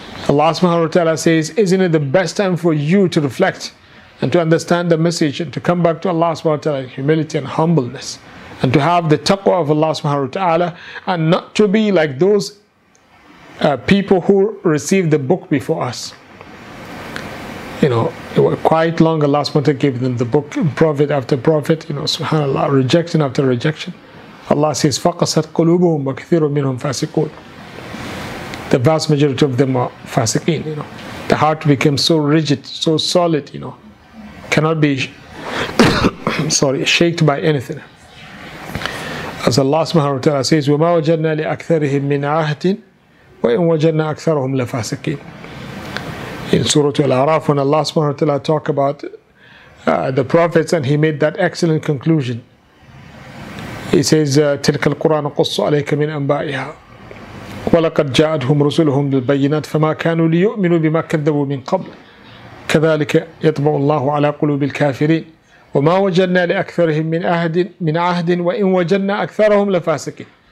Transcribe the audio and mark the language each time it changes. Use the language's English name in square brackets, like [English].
[English] Allah subhanahu wa ta'ala says, isn't it the best time for you to reflect and to understand the message and to come back to Allah subhanahu wa ta'ala in humility and humbleness and to have the taqwa of Allah subhanahu wa ta'ala and not to be like those people who received the book before us. You know, it was quite long. Allah subhanahu wa ta'ala gave them the book, prophet after prophet, you know, subhanAllah, rejection after rejection. Allah says, [Arabic] فَقَسَتْ قُلُوبُهُمْ وَكَثِيرٌ مِّنْهُمْ فَاسِقُونَ. [English] The vast majority of them are fasiqeen, you know. The heart became so rigid, so solid, you know, cannot be shaked by anything. As Allah subhanahu wa ta'ala says, [Arabic] وَمَا وَجَدْنَا لِأَكْثَرِهِمْ مِّنْ عَهْدٍ وَإِنْ وَجَدْنَا أَكْثَرُهُمْ لَفَاسِقِينَ. [English] In Surah Al-Araf, when Allah subhanahu wa ta'ala talk about the prophets, and He made that excellent conclusion. He says, [Arabic] تِلْكَ الْقُرَانُ قُصُّ عَلَيْكَ مِنْ أَنْبَائِهَا وَلَقَدْ جَاءَتْهُمْ رُسُلُهُمْ بِالْبَيِّنَاتِ فَمَا كَانُوا لِيُؤْمِنُوا بِمَا كَذَّبُوا مِنْ قَبْلُ كَذَلِكَ يَطْبَعُ اللَّهُ عَلَى قُلُوبِ الْكَافِرِينَ وَمَا وَجَدْنَا لِأَكْثَرِهِمْ مِنْ عَهْدٍ وَإِنْ وَجَدْنَا أَكْثَرَهُمْ لَفَاسِقِينَ.